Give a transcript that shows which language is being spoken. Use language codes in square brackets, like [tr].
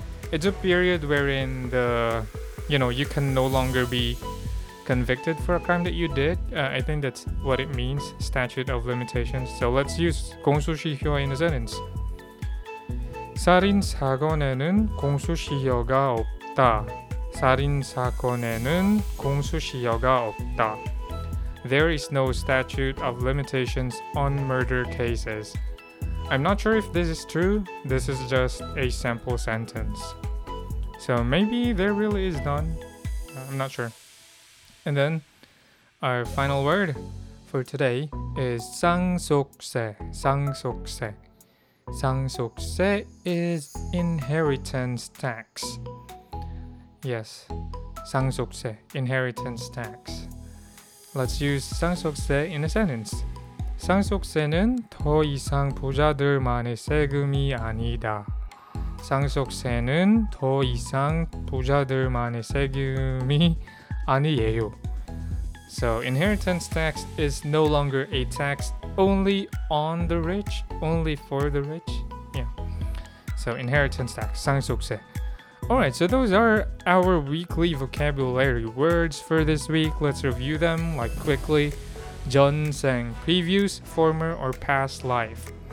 [en] It's a period wherein the, you know, you can no longer be convicted for a crime that you did. I think that's what it means, statute of limitations. So let's use 공소시효 in a sentence. [ko] 살인 사건에는 공소시효가 없다. 살인 사건에는 공소시효가 없다. [en] There is no statute of limitations on murder cases. I'm not sure if this is true. This is just a sample sentence. So maybe there really is none. I'm not sure. And then our final word for today is 상속세. 상속세. 상속세 is inheritance tax. Yes, 상속세, inheritance tax. Let's use 상속세 in a sentence. [ko] 상속세는 더 이상 부자들만의 세금이 아니다. 상속세는 더 이상 부자들만의 세금이 아니에요. [en] So inheritance tax is no longer a tax only on the rich, only for the rich. Yeah. So inheritance tax, 상속세. Alright, so those are our weekly vocabulary words for this week. Let's review them, like, quickly. 전생, previous, former, or past life.